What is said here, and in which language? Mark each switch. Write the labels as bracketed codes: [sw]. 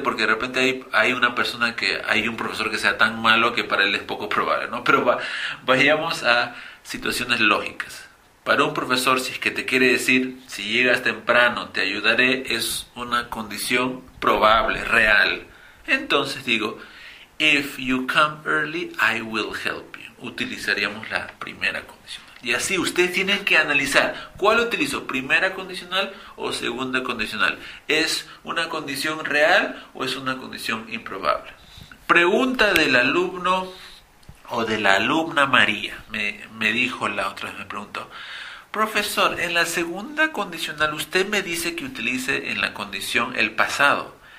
[es] Porque de repente hay una persona que, hay un profesor que sea tan malo que para él es poco probable, ¿no? Pero vayamos a situaciones lógicas. Para un profesor, si es que te quiere decir, si llegas temprano, te ayudaré, es una condición probable, real. Entonces digo, [en] if you come early, I will help you. [es] Utilizaríamos la primera condición. Y así ustedes tienen que analizar cuál utilizo, primera condicional o segunda condicional. ¿Es una condición real o es una condición improbable? Pregunta del alumno o de la alumna María. Me dijo la otra vez, me preguntó. Profesor, en la segunda condicional usted me dice que utilice en la condición el pasado.